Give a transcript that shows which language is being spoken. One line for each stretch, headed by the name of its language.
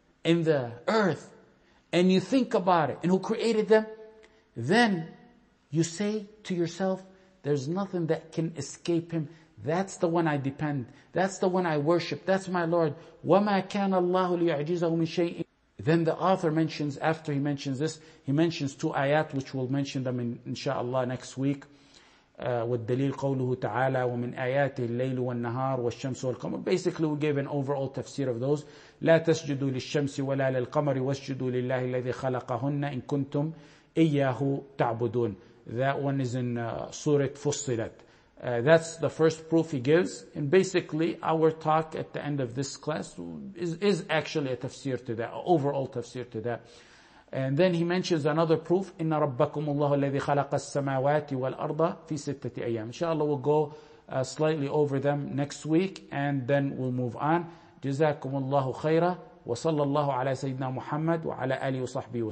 English: in the earth, and you think about it, and who created them, then you say to yourself, there's nothing that can escape him. That's the one I depend. That's the one I worship. That's my Lord.
Arabic: وَمَا كَانَ اللَّهُ لِيُعْجِزَهُ مِنْ شَيْءٍ.
English: Then the author mentions, after he mentions this, he mentions two ayat, which we'll mention them in, inshallah, next week.
Arabic: والدليل قوله تعالى ومن آيات الليل والنهار والشمس والقمر.
English: Basically, we gave an overall tafsir of those.
Arabic: لا تسجدوا للشمس ولا للقمر واسجدوا لله الذي خلقهن إن كنتم إياه تعبدون.
English: That one is in Surah Fussilat. That's the first proof he gives. And basically, our talk at the end of this class is actually a tafsir to that, overall tafsir to that. And then he mentions another proof,
Arabic: إِنَّ رَبَّكُمُ اللَّهُ الَّذِي خَلَقَ السَّمَاوَاتِ وَالْأَرْضَ فِي سِتَّةِ أَيَّامٍ.
English: Inshallah, we'll go slightly over them next week, and then we'll move on.
Arabic: جزاكم الله خيرا وصلى الله على سيدنا محمد وعلى آله وصحبه وسلم.